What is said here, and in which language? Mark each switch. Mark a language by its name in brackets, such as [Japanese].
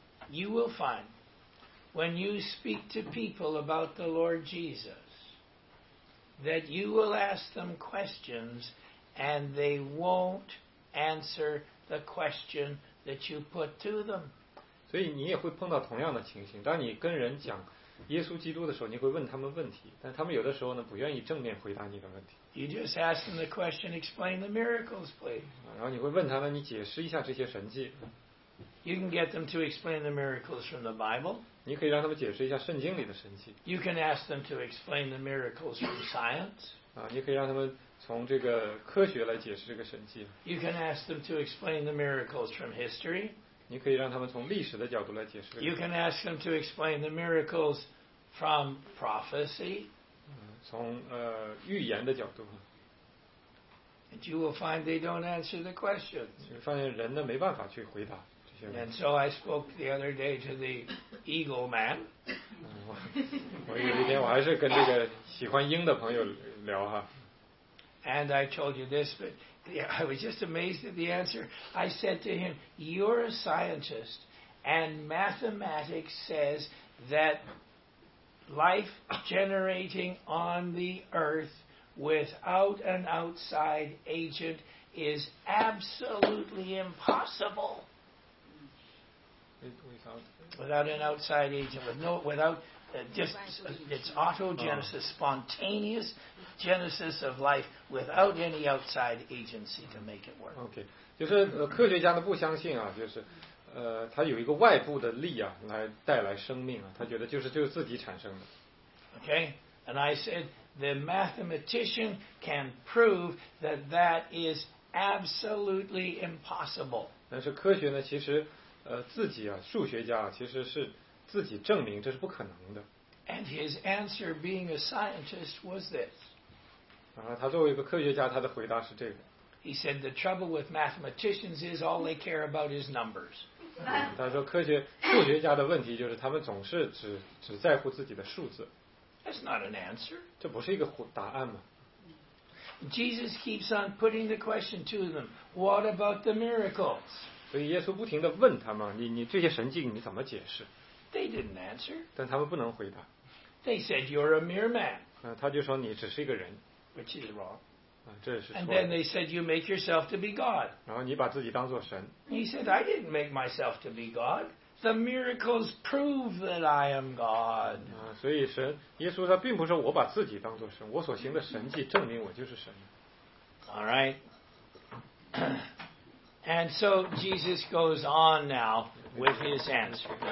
[English] You will find when you speak to people about the Lord Jesus that you will ask them questions and they won't. Answer the question that you put to them. [Chinese] 所以你也会碰到同样的情形。当你跟人讲耶稣基督的时候，你会问他们问题，但他们有的时候呢，不愿意正面回答你的问题。 [English] You just ask them the question, explain the miracles, please. [Chinese] 然后你会问他们，你解释一下这些神迹。 [English] You can get them to explain the miracles from the Bible. [Chinese] 你可以让他们解释一下圣经里的神迹。 [English] You can ask them to explain the miracles from science. [Chinese] 啊，你可以让他们。从这个科学来解释这个神迹。 [English] You can ask them to explain the miracles from history. [Chinese] 你可以让他们从历史的角度来解释。 [English] You can ask them to explain the miracles from prophecy. [Chinese] 从预言的角度。 [English] And you will find they don't answer the questions. [Chinese] 你发现人呢没办法去回答这些。 [English] And so I spoke the other day to the eagle man. [Chinese] 我有一天我还是跟这个喜欢鹰的朋友聊哈。 [English] And I told you this, but I was just amazed at the answer. I said to him, "You're a scientist, and mathematics says that life generating on the earth without an outside agent is absolutely impossible." Without an outside agent, it's autogenesis, spontaneous. Genesis of life without any outside agency to make it work. [Chinese] Okay, 就是科学家呢不相信啊，就是他有一个外部的力啊来带来生命啊，他觉得就是自己产生的。 [English] Okay, and I said the mathematician can prove that is absolutely impossible. [Chinese] 但是科学呢，其实自己啊，数学家啊，其实是自己证明这是不可能的。 [English] And his answer, being a scientist, was this. [Chinese] 他作为一个科学家，他的回答是这个。 [English] He said, "The trouble with mathematicians is all they care about is numbers." [Chinese] 他说，数学家的问题就是他们总是只在乎自己的数字。 [English] That's not an answer. [Chinese] 这不是一个答案吗 [English] ？Jesus keeps on putting the question to them. What about the miracles? [Chinese] 所以耶稣不停地问他们，你这些神迹你怎么解释 [English] ？They didn't answer. [Chinese] 但他们不能回答。 [English] They said, "You're a mere man." [Chinese] 他就说你只是一个人。 [English] Which is wrong. [Chinese] 这是错的。 [English] And then they said, "You make yourself to be God." [Chinese] 然后你把自己当作神。 [English] He said, "I didn't make myself to be God. The miracles prove that I am God." [Chinese] 所以神耶稣他并不是我把自己当作神，我所行的神迹证明我就是神。 [English] All right. And so Jesus goes on now with his answer.